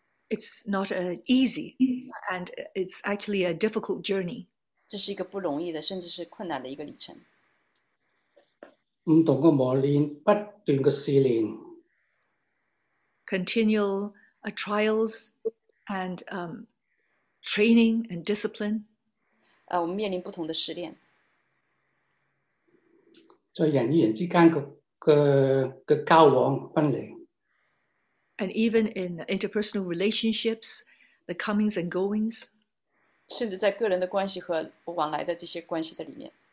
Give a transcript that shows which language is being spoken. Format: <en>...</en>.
<en>It's not an easy, and it's actually a difficult journey.</en> <zh>这是一个不容易的，甚至是困难的一个旅程。不断的磨练,</zh> <en>Continual trials and training and discipline.</en> <zh>我们面临不同的试炼。在人与人之间的交往分离。</zh> <en>And even in interpersonal relationships, the comings and goings.</en> <zh>甚至在个人的关系和往来的这些关系的里面。</zh>